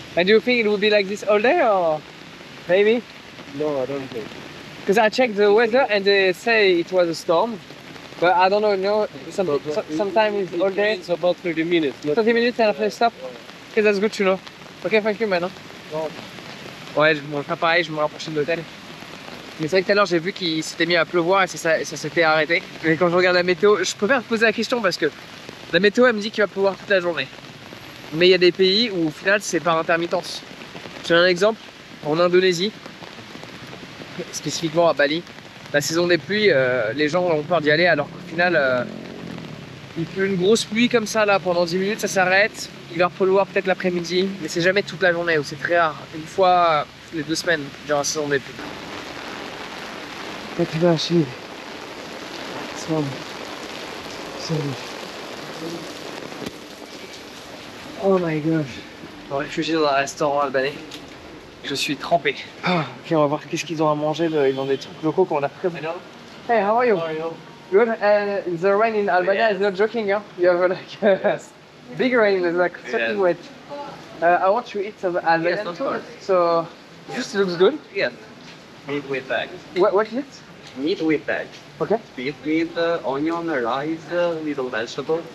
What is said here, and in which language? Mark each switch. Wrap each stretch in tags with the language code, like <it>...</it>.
<en>And do you think it would be like this all day or maybe? No, I don't think. Because I checked the weather and they say it was a storm. But I don't know, you know, sometimes it's all day. It's about 30 minutes. 30 minutes and after stop? Okay, that's good to know. Okay, thank you, man. No. Wow.</en> <fr>Ouais, je vais faire pareil, je me rapprocher de l'hôtel. Mais c'est vrai que tout à l'heure j'ai vu qu'il s'était mis à pleuvoir et ça s'était arrêté. Mais quand je regarde la météo, je préfère te poser la question parce que la météo elle me dit qu'il va pleuvoir toute la journée. Mais il y a des pays où au final c'est par intermittence. J'ai un exemple, en Indonésie, spécifiquement à Bali, la saison des pluies, les gens ont peur d'y aller alors qu'au final il pleut une grosse pluie comme ça là pendant 10 minutes, ça s'arrête, il va pleuvoir peut-être l'après-midi, mais c'est jamais toute la journée ou c'est très rare, une fois les deux semaines durant la saison des pluies. Pas plus bas, chérie. C'est bon.</fr> <en>Oh my gosh.</en> <fr>On est réfugié dans un restaurant albanais. Je suis trempé. Ok, on va voir qu'est-ce qu'ils ont à manger. Ils ont des trucs locaux qu'on a pris.</fr> <en>Hello. Hey, how are you? How are you? Good. The rain in Albania is not joking, yeah? Huh? You have like yes. Big rain, it's like soaking wet. I want you to eat some Albanian food. So, yes. This looks good. Yes. Meat with bag. What is it? Meat with bag. Okay. Beef with onion, rice, little vegetable.</en>